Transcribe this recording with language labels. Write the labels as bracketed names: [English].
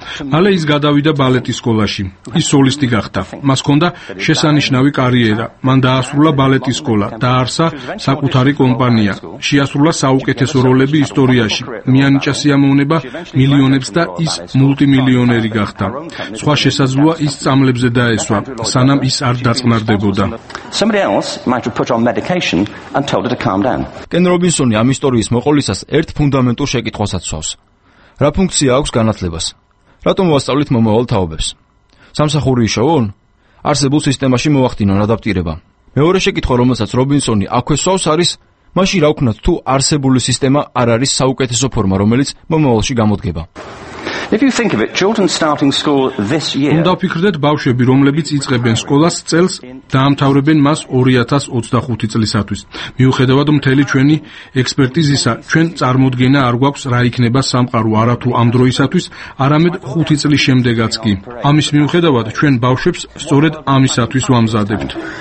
[Georgian] მალე ის გადავიდა ბალეტის სკოლაში. ის სოლისტი გახდა. მას ჰქონდა შესანიშნავი კარიერა. მან დაასრულა ბალეტის სკოლა, დააარსა საკუთარი კომპანია. შეასრულა საუკეთესო როლები ისტორიაში. მიანიჭა სიამოვნება მილიონებს და ის მულტიმილიონერი გახდა. სხვა შესაძლოა ის წამლებზე დაესვა, სანამ ის არ დაწყნარდებოდა. [English] Somebody else might have put on medication and told her to calm down. [Georgian] კენ რობინსონი ამ ისტორიის მოყოლისას ერთ ფუნდამენტურ შეკითხვას აცვავს. რა ფუნქცია აქვს განათლებას? რატომ ვასწავლით მომავალ თაობებს? სამსახური იშოვონ? არსებულ სისტემაში მოახდინონ ადაპტირება. მეორე შეკითხვა, რომელსაც რობინსონი აქვე სვავს, არის: მაშინ რა ვქნათ, თუ არსებული სისტემა არ არის საუკეთესო ფორმა, რომელიც მომავალში გამოდგება? [English] If you think of it, children starting school this year. [Georgian] Უნდა ფიქრდეთ ბავშვები, რომლებიც იწყებენ სკოლას წელს, დაამთავრებენ მას 2025 წლისათვის. მიუხედავად მთელი ჩვენი ექსპერტიზისა, ჩვენ წარმოდგენა არ გვაქვს რა იქნება სამყარო არათუ ამ დროისათვის, არამედ 5 წლის შემდეგაც კი. ამის მიუხედავად ჩვენ ბავშვებს სწორედ ამისათვის ვამზადებთ.